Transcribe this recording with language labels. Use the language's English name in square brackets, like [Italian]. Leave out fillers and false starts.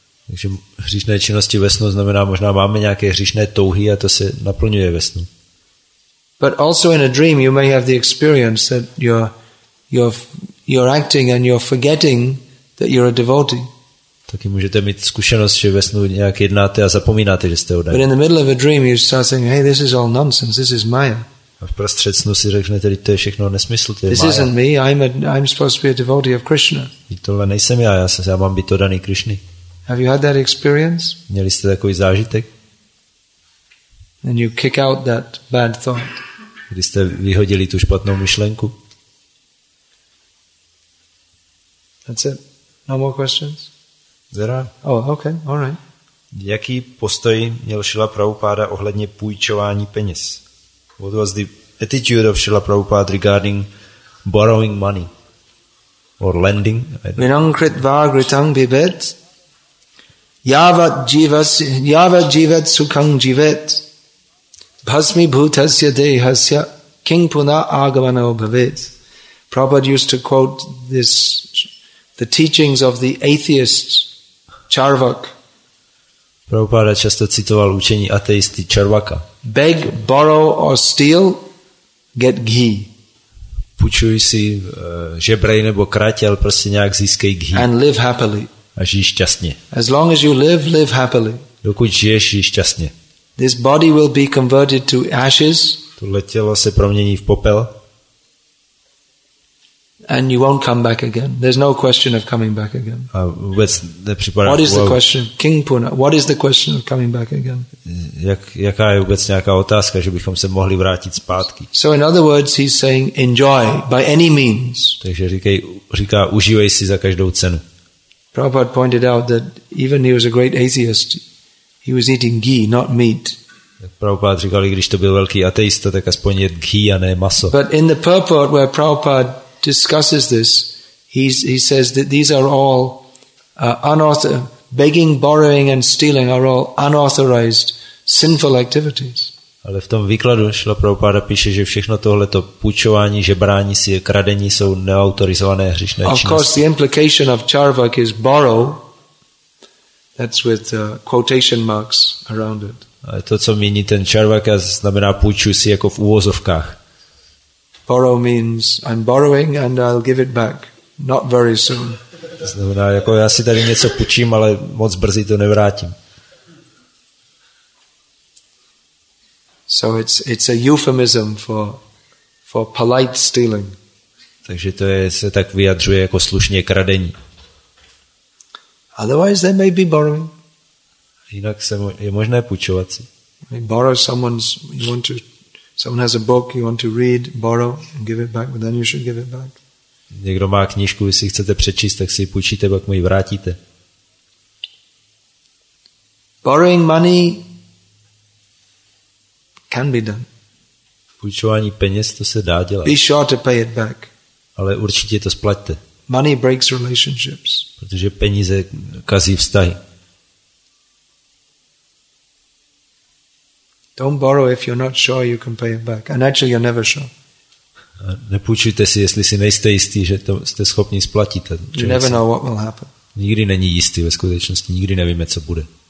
[Czech] Takže hříšné činnosti ve snu znamená, možná máme nějaké hříšné touhy a to se naplňuje ve snu. [English] But also in a dream you may have the experience that you're acting and you're forgetting that you're a devotee. [Czech] Taky můžete mít zkušenost, že ve snu nějak jednáte a zapomínáte, že jste oddaný. [English] But in the middle of a dream you start saying, hey, this is all nonsense, this is Maya. [Czech] A v prostřed snu si řeknete, to je všechno nesmysl, to je [English] this Maya. Isn't me, I'm supposed to be a devotee of Krishna. [Czech] Tohle nejsem já mám být oddaný Krišny. [English] Have you had that experience? [Czech] Měli jste takový zážitek? [English] And you kick out that bad thought. [Czech] Když jste vyhodili tu špatnou myšlenku? [English] That's it. No more questions? There are. Oh, okay, all right. [Czech] Jaký postoj měl Šila Prabhupáda ohledně půjčování peněz? [English] What was the attitude of Šila Prabhupáda regarding borrowing money? Or lending? [Sanskrit] Vinankrit vagritang bibet yavat jivat sukhang jivet bhasmi bhutasya dehasya king puna agavana obhavet. [English] Prabhupada used to quote this, the teachings of the atheist Charvak. [Czech] Prabhupada často citoval učení ateisty Charvaka. [English] Beg, borrow or steal, get ghee. [Czech] Půjčuj si žebrej nebo krať, ale prostě nějak získej ghee. [English] And live happily. [Czech] A žij šťastně. [English] As long as you live, live happily. [Czech] Dokud žiješ, žij šťastně. [English] This body will be converted to ashes. [Czech] Tohle tělo se promění v popel. [English] and you won't come back again. There's no question of coming back again. What is the question? King Puna, what is the question of coming back again? [Czech] Jaká je vůbec nějaká otázka, že bychom se mohli vrátit zpátky? [English] So in other words, he's saying enjoy by any means. [Czech] Takže říká užívej si za každou cenu. [English] Prabhupada pointed out that even he was a great atheist, he was eating ghee, not meat. [Czech] Prabhupada říkal, když to byl velký ateista, tak aspoň je ghee a ne maso. [English] But in the purport where Prabhupada discusses this, he says that these are all begging, borrowing and stealing are all unauthorized sinful activities. [Czech] Ale v tom výkladu Šrila Prabhupada píše, že všechno tohleto půjčování, žebrání si, kradení jsou neautorizované hříšné činnosti. [English] Of course, the implication of charvak is borrow. That's with quotation marks around it. [Czech] Ale to, co míní ten čarvaka, znamená půjču si jako v úvozovkách. [English] Borrow means I'm borrowing and I'll give it back. Not very soon. [Czech] To znamená, jako já si tady něco půjčím, ale moc brzy to nevrátím. [English] So it's a euphemism for polite stealing. [Czech] Takže to se tak vyjadřuje jako slušně kradení. [English] Otherwise there may be borrowing. [Czech] Jinak je možné půjčovat si. [English] Borrow someone's, you want to, someone has a book, you want to read, borrow and give it back, but then you should give it back. [Czech] Někdo má knížku, jestli chcete přečíst, tak si ji půjčíte, pak mu ji vrátíte. [English] Borrowing money can be done. [Czech] Půjčování peněz, to se dá dělat. [English] Be sure to pay it back. [Czech] Ale určitě to splaťte. [English] Money breaks relationships. [Czech] Protože peníze kazí vztahy. [English] Don't borrow if you're not sure you can pay it back. And actually you're never sure. [Czech] Nepůjčujte si, jestli si nejste jistý, že to jste schopni splatit. [English] You never know what will happen. [Czech] Nikdy není jistý ve skutečnosti, nikdy nevíme, co bude.